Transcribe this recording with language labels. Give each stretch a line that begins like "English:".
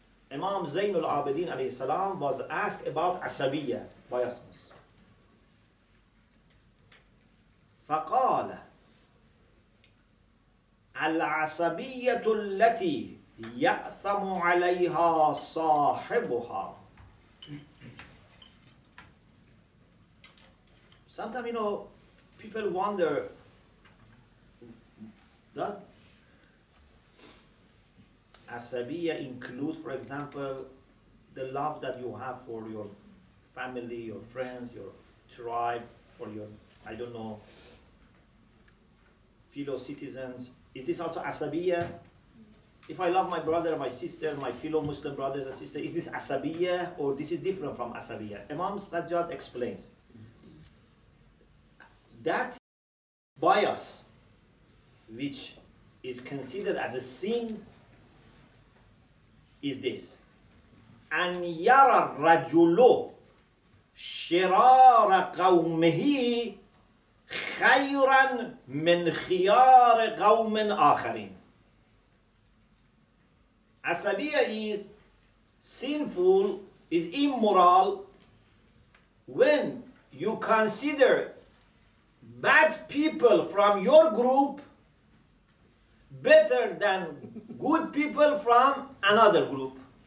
English: Imam Zain al-Abidin
Arabic: عليه السلام
English: was asked about عصبية, biasness.
Arabic: فقال العصبية التي يأثم عليها صاحبها.
English: Sometimes, you know, people wonder, does asabiyyah include, for example, the love that you have for your family, your friends, your tribe, for your, I don't know, fellow citizens? Is this also asabiyyah? If I love my brother, my sister, my fellow Muslim brothers and sisters, is this asabiyyah or this is different from asabiyyah? Imam Sajjad explains that bias, which is considered as a sin, is this.
Arabic: أن يرى الرجل شرار قومه خيرا من خيار قوم آخرين.
English: Asabiyyah is sinful, is immoral, when you consider bad people from your group better than good people from another group.